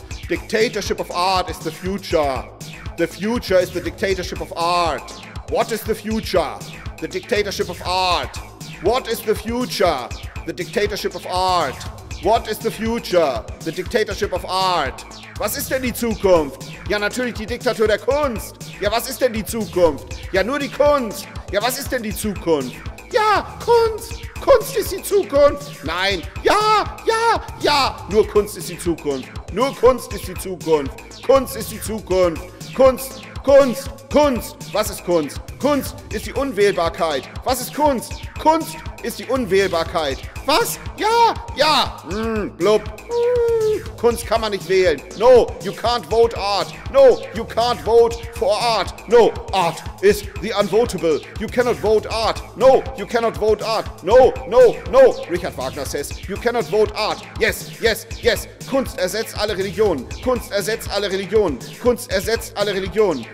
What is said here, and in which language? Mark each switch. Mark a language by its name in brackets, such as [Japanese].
[English] Dictatorship of art is the future. The future is the dictatorship of art. What is the future? The dictatorship of art. What is the future? The dictatorship of art. What is the future? The dictatorship of art. [German] Was ist denn die Zukunft? Ja, natürlich die Diktatur der Kunst. Ja, was ist denn die Zukunft? Ja, nur die Kunst. Ja, was ist denn die Zukunft? Ja, Kunst. Kunst ist die Zukunft. Nein. Ja, ja, ja. Nur Kunst ist die Zukunft. Nur Kunst ist die Zukunft. Kunst ist die Zukunft. Kunst, Kunst, Kunst. Was ist Kunst? Kunst ist die Unwählbarkeit. Was ist Kunst? Kunst ist die Unwählbarkeit. Was? Ja, ja. Blub. Kunst kann man nicht wählen. [English] No, you can't vote art. No, you can't vote for art. No, art is the unvotable. You cannot vote art. No, you cannot vote art. No, no, no. Richard Wagner says, you cannot vote art. Yes, yes, yes. [German] Kunst ersetzt alle Religionen. Kunst ersetzt alle Religionen. Kunst ersetzt alle Religionen.